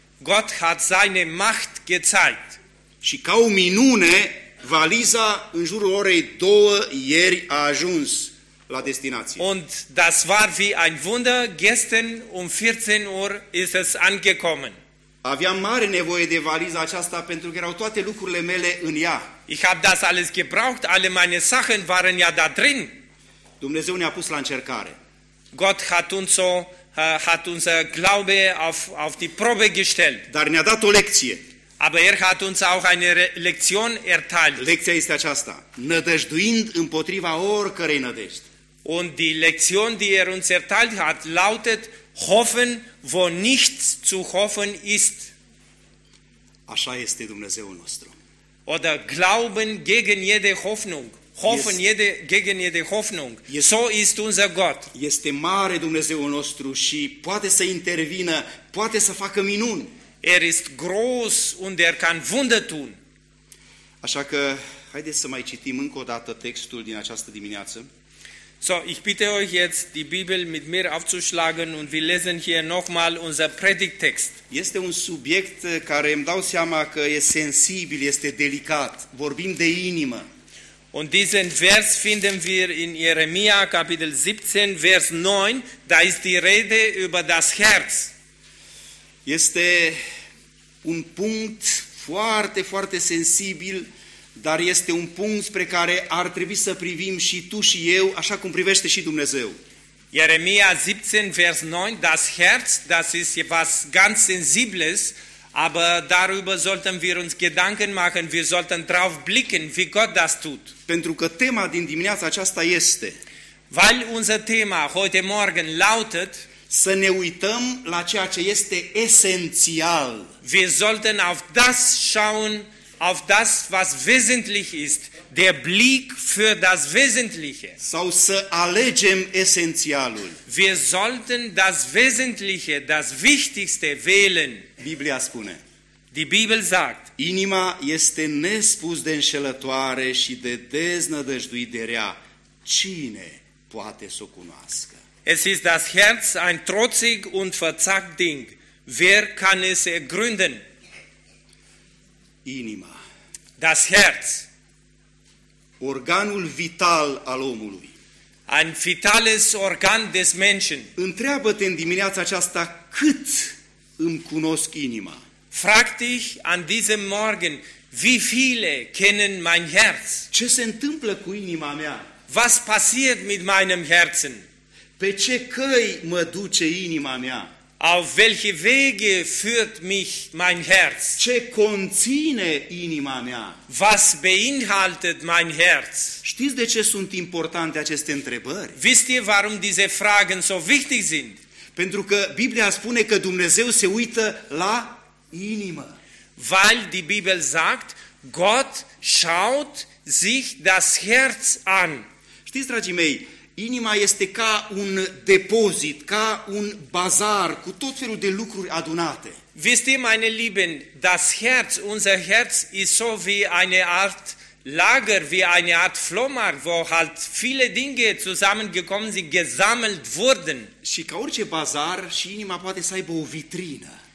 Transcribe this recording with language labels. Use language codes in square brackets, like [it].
[de] Gott hat seine Macht gezeigt. [ro] Și ca o minune, valiza în jurul orei 2 ieri a ajuns la destinație. [de] Und das war wie ein Wunder, gestern 14 Uhr ist es angekommen. [ro] Aveam mare nevoie de valiza aceasta pentru că erau toate lucrurile mele în ea. [de] Ich habe das alles gebraucht, alle meine Sachen waren ja da drin. [ro] Dumnezeu ne-a pus la încercare. [de] Gott hat uns unser Glaube auf die Probe gestellt. [ro] Dar ne-a dat o lecție. [de] Aber hat uns auch eine Lektion erteilt. [ro] Lecția este aceasta: nădăjduind împotriva oricărei nădejde. [de] Und die Lektion, die uns erteilt hat, lautet: hoffen, wo nichts zu hoffen ist. [ro] Așa este Dumnezeul nostru. [de] Oder glauben gegen jede Hoffnung. Hoffen gegen jede Hoffnung. So ist unser Gott. [ro] Este mare Dumnezeul nostru și poate să intervină, poate să facă minuni. [de] Ist groß und kann Wunder tun. [ro] Așa că haideți să mai citim încă o dată textul din această dimineață. [de] So, ich bitte euch jetzt, die Bibel mit mir aufzuschlagen und wir lesen hier nochmal unser Predigttext. [ro] Este un subiect care îmi dau seama că e sensibil, este delicat. Vorbim de inimă. [de] Und diesen Vers finden wir in Jeremia, Kapitel 17, Vers 9. Da ist die Rede über das Herz. [ro] Este un punct foarte, foarte sensibil, dar este un punct spre care ar trebui să privim și tu și eu, așa cum privește și Dumnezeu. [de] Jeremia 17, Vers 9, das Herz, das ist was ganz Sensibles, aber darüber sollten wir uns Gedanken machen, wir sollten drauf blicken, wie Gott das tut. [ro] Pentru că tema din dimineața aceasta este, [de] weil unser Thema heute Morgen lautet, [ro] să ne uităm la ceea ce este esențial. [de] Wir sollten auf das schauen, auf das, was wesentlich ist, der Blick für das Wesentliche. [ro] Sau să alegem esențialul. [de] Wir sollten das Wesentliche, das Wichtigste wählen. [ro] Biblia spune. [de] Die Bibel sagt. [ro] Inima este nespus de înșelătoare și de deznădăjduit de rea. Cine poate să o cunoască? [de] Es ist das Herz ein trotzig und verzagt Ding. Wer kann es ergründen? [ro] Inima. [de] Das Herz. [ro] Organul vital al omului. [de] Ein vitales Organ des Menschen. [ro] Întreabă-te în dimineața aceasta cât îmi cunosc inima. [de] Frag dich an diesem Morgen, wie viele kennen mein Herz? [ro] Ce se întâmplă cu inima mea? [de] Was passiert mit meinem Herzen? [ro] Pe ce căi mă duce inima mea? [de] Auf welche Wege führt mich mein Herz? [ro] Ce conține inima mea? [de] Was beinhaltet mein Herz? [ro] Știți de ce sunt importante aceste întrebări? [de] Wisst ihr warum diese Fragen so wichtig sind? [ro] Pentru că Biblia spune că Dumnezeu se uită la inimă. [de] Weil die Bibel sagt, Gott schaut sich das Herz an. [ro] Știți, dragii mei, inima este ca un depozit, ca un bazar cu tot felul de lucruri adunate. [de] Wisst ihr, meine Lieben, das Herz, unser Herz ist so wie eine Art Lager, wie eine Art Flohmarkt, wo halt viele Dinge zusammengekommen sind, gesammelt wurden. [ro] Și ca orice bazar, și inima poate să aibă o vitrină.